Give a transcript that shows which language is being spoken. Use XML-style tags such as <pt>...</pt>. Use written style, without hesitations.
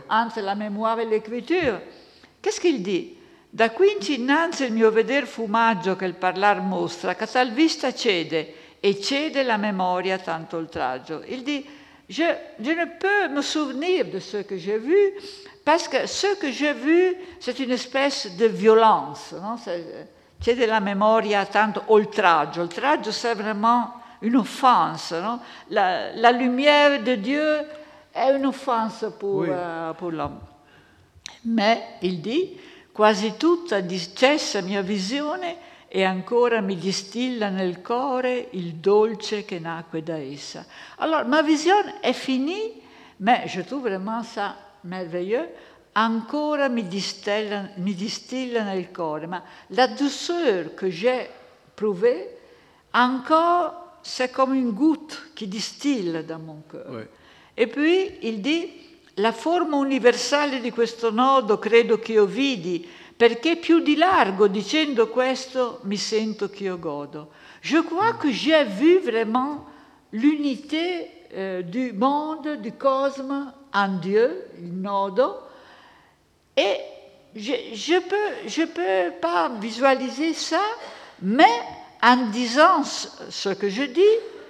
<fr>entre la mémoire et l'écriture. Qu'est-ce qu'il dit ?«</fr> <it>Da quinci innanzi il mio veder fumaggio che il parlar mostra, che tal vista cede, e cede la memoria tanto oltraggio.</it> <fr>» Il dit « Je ne peux me souvenir de ce que j'ai vu, parce que ce que j'ai vu, c'est une espèce de violence. Non ?»</fr> <it>Cede la memoria tanto oltraggio.</it> <fr>Oltraggio, c'est vraiment... une offense, non? La lumière de Dieu est une offense pour l'homme. Mais, il dit,</fr> <it>quasi tutta dicesse mia visione e ancora mi distilla nel cuore il dolce che nacque da essa.</it> <fr>Alors, ma vision est finie, mais je trouve vraiment ça merveilleux,</fr> <it>ancora mi distilla nel cuore.</it> <fr>Ma la douceur que j'ai prouvée, encore... c'est comme une goutte qui distille dans mon cœur. Oui. Et puis, il dit,</fr> <it>la forme universelle di questo nodo credo che io vidi, perché più di largo, dicendo questo, mi sento che io godo.</it> <fr>Je crois que j'ai vu vraiment l'unité du monde, du cosmos en Dieu, il nodo, et je peux pas visualiser ça, mais... en disant ce que je dis,</fr>